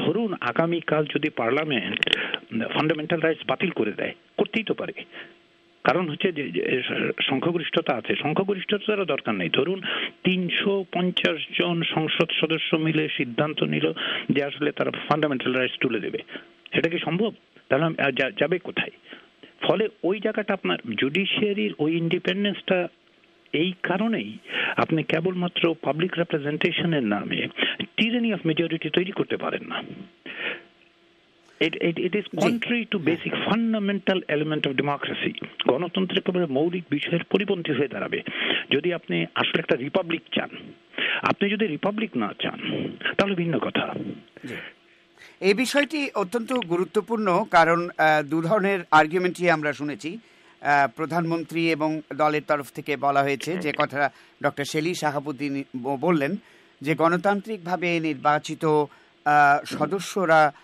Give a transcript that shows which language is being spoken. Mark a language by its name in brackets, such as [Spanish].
[Bangla] ধরুন আগামীকাল যদি পার্লামেন্ট ফান্ডামেন্টাল রাইটস বাতিল করে দেয়, করতেই তো পারে, কারণ হচ্ছে যে সংখ্যাগরিষ্ঠতা আছে, সংখ্যাগরিষ্ঠতারও দরকার নেই, ধরুন 350 জন সংসদ সদস্য মিলে সিদ্ধান্ত নিল যে আসলে তারা ফান্ডামেন্টাল রাইটস তুলে দেবে, সেটা কি সম্ভব? তাহলে যাবে কোথায়? ফলে ওই জায়গাটা আপনার জুডিশিয়ারির ওই ইন্ডিপেন্ডেন্সটা এই কারণেই আপনি কেবলমাত্র পাবলিক রিপ্রেজেন্টেশনের নামে টিরানি অফ মেজরিটি তৈরি করতে পারেন না। [English] It is contrary to basic fundamental element of democracy. [Bangla] গণতন্ত্রে কেবল মৌলিক বিষয়ের পরিপন্থী হয়ে দাঁড়াবে। যদি আপনি আসলে একটা রিপাবলিক চান, আপনি যদি রিপাবলিক না চান তাহলে ভিন্ন কথা। এই বিষয়টি অত্যন্ত গুরুত্বপূর্ণ, কারণ দু ধরনের আর্গুমেন্টই আমরা শুনেছি, প্রধানমন্ত্রী এবং দলের তরফ থেকে বলা হয়েছে যে কথা ডক্টর শেলি শাহাবুদ্দিন বললেন যে গণতান্ত্রিকভাবে নির্বাচিত সদস্যরা